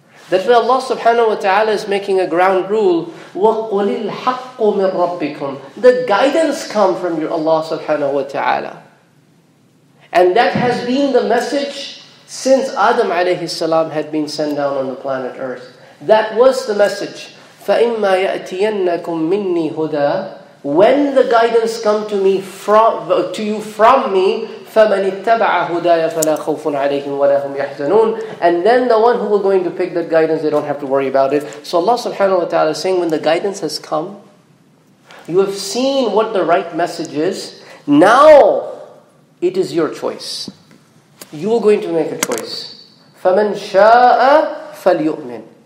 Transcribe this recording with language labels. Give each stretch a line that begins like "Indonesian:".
English: That's why Allah subhanahu wa ta'ala is making a ground rule,
Arabic: وَقُلِ الْحَقُّ مِنْ رَبِّكُمْ.
English: The guidance comes from your Allah subhanahu wa ta'ala. And that has been the message since Adam alayhi salam had been sent down on the planet Earth. That was the message.
Arabic: فَإِمَّا يَأْتِيَنَّكُمْ مِنِّي هُدَى.
English: When the guidance comes to me from me,
Arabic: فَمَنِ اتَّبَعَ هُدَايَ فَلَا خَوْفٌ عَلَيْهِمْ وَلَا هُمْ يَحْزَنُونَ.
English: And then the one who were going to pick that guidance, they don't have to worry about it. So Allah subhanahu wa ta'ala is saying, when the guidance has come, you have seen what the right message is, now it is your choice. You are going to make a choice.
Arabic: فَمَنْ شَاءَ فَلْيُؤْمِنْ.